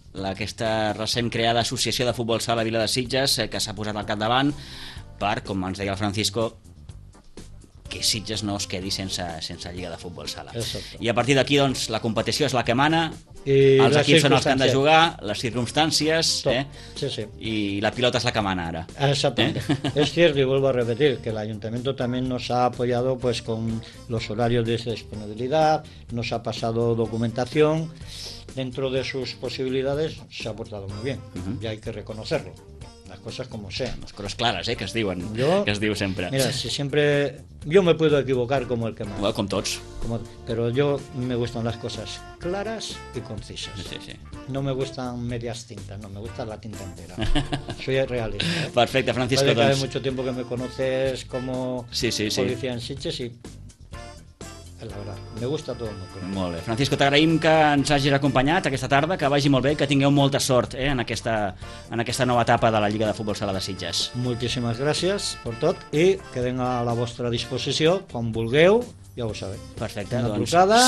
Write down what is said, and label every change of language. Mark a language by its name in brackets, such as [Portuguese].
[Catalan] Aquesta recent creada Associació de Futbol Sala Vila de Sitges, que s'ha posat al capdavant per, com ens deia el Francisco, que Sitges no es quedi sense Lliga de Futbol Sala. Exacte. I a partir d'aquí, doncs, la competició és la que mana, i els equips són els que han de jugar, les circumstàncies, Sí. I la pilota és la que mana ara. Exactament. És cert, i [Spanish] vuelvo a repetir, que l'Ajuntament també nos ha apoyado pues, con los horarios de disponibilidad, nos ha pasado documentación, dentro de sus posibilidades se ha portado muy bien, y hay que reconocerlo. Las cosas como sean. Las cosas claras, que es diuen, [Catalan] que es diu sempre. [Spanish] Mira, si siempre... Yo me puedo equivocar como el que más. [Catalan] Bueno, com tots. [Spanish] Pero yo me gustan las cosas claras y concisas. Sí, sí. No me gustan medias tintas, no, me gusta la tinta entera. Soy realista. [Catalan] Perfecte, Francisco. [Spanish] Vale, hace mucho tiempo que me conoces como policía en Sitges y... La verdad, me gusta todo [Catalan] molt. Molt bé, Francisco, t'agraïm que ens hagis acompanyat aquesta tarda, que vagi molt bé, que tingueu molta sort en aquesta nova etapa de la Lliga de Futbol Sala de Sitges. Moltíssimes gràcies per tot i quedem a la vostra disposició quan vulgueu, ja ho sabeu. Perfecte, una doncs trucada.